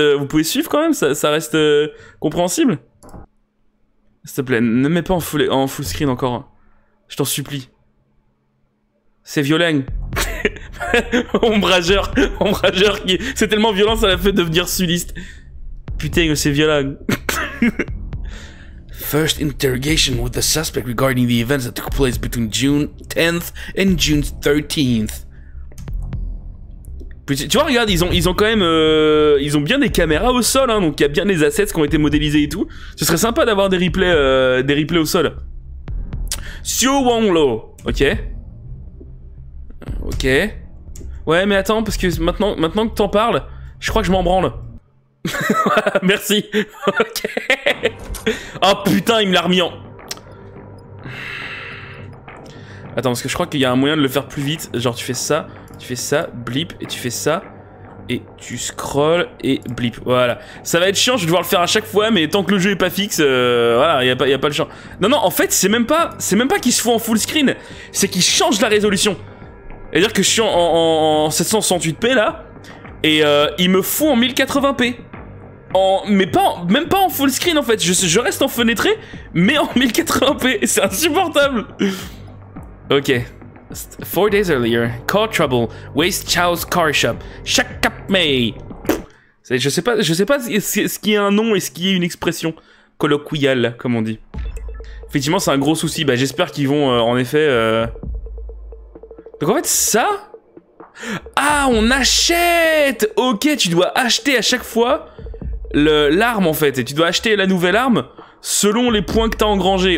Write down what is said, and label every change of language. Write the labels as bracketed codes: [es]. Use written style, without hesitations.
[fr] Vous pouvez suivre quand même, ça reste compréhensible. S'il te plaît, ne mets pas en full screen encore. Je t'en supplie. C'est violent. Ombrageur, ombrageur qui. C'est tellement violent, ça l'a fait devenir sudiste. Putain, c'est violent. [en] First interrogation with the suspect regarding the events that took place between June 10th and June 13th. [fr] Putain, tu vois, regarde, ils ont quand même. Ils ont bien des caméras au sol, hein, donc il y a bien des assets qui ont été modélisés et tout. Ce serait sympa d'avoir des replays au sol. Xiu Wanglo, ok. Ok. Ouais, mais attends, parce que maintenant que t'en parles, je crois que je m'en branle. Merci. Ok. Oh putain, il me l'a remis en... Attends, parce que je crois qu'il y a un moyen de le faire plus vite. Genre, tu fais ça, blip, et tu fais ça, et tu scrolles, et blip. Voilà. Ça va être chiant, je vais devoir le faire à chaque fois, mais tant que le jeu est pas fixe, voilà, y a pas le champ. Non, en fait, c'est même pas qu'il se fout en full screen, c'est qu'il change la résolution. C'est-à-dire que je suis en 768p là, et il me fout en 1080p. Mais même pas en full screen en fait, je reste en fenêtré, mais en 1080p, c'est insupportable. Ok. [en] 4 days earlier, car trouble, waste Chow's car shop, Shakap May. [fr] Je sais pas ce qui est un nom et ce qui est une expression colloquiale, comme on dit. Effectivement, c'est un gros souci, bah j'espère qu'ils vont en effet... Donc en fait, ça... Ah, on achète! Ok, tu dois acheter à chaque fois l'arme, en fait. Et tu dois acheter la nouvelle arme selon les points que t'as engrangés.